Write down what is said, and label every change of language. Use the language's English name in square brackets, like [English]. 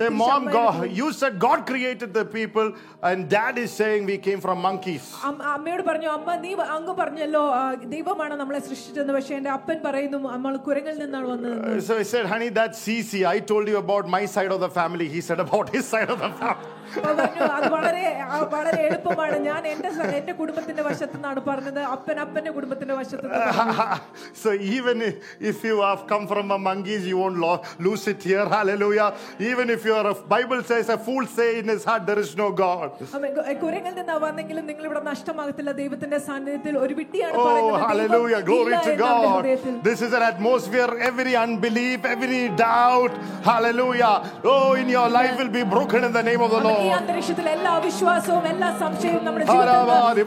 [English] Say, mom, God, you said God created the people and dad is saying we came from monkeys. [Malayalam] അമ്മയോട് പറഞ്ഞു അമ്മ നീ അങ്ങ് പറഞ്ഞല്ലോ ദൈവമാണ് നമ്മളെ സൃഷ്ടിച്ചതെന്ന് പക്ഷേ എന്റെ അപ്പൻ പറയുന്നു നമ്മൾ കുരങ്ങിൽ നിന്നാണ് വന്നത്. [English] So I said, honey, that's easy. I told you about my side of the family. He said about his side of the family. [Malayalam] വളരെ എളുപ്പമാണ് ഞാൻ എന്റെ എന്റെ കുടുംബത്തിന്റെ വശത്തു നിന്നാണ് പറഞ്ഞത് അപ്പൻ അപ്പന്റെ കുടുംബത്തിന്റെ വശത്തു നിന്നാണ്. [English] So even if you have come from a monkeys, you won't lose it here. Hallelujah. Even if you are a Bible says a fool say in his heart there is no God. [Malayalam] കുരങ്ങിൽ നിന്ന് വന്നെങ്കിലും നിങ്ങൾ ഇവിടെ നഷ്ടമാകത്തില്ല ദൈവത്തിന്റെ സാന്നിധ്യത്തിൽ ഒരു വിട്ടിയാണ് പറയുന്നത്. [English] Hallelujah. Glory to God. This is an atmosphere every unbelief, every doubt. Hallelujah. Oh, in your life will be broken in the name of the Lord. [Malayalam] ഈ അന്തരീക്ഷത്തിൽ എല്ലാ അവിശ്വാസവും എല്ലാ സംശയവും നമ്മുടെ ജീവിതത്തിൽ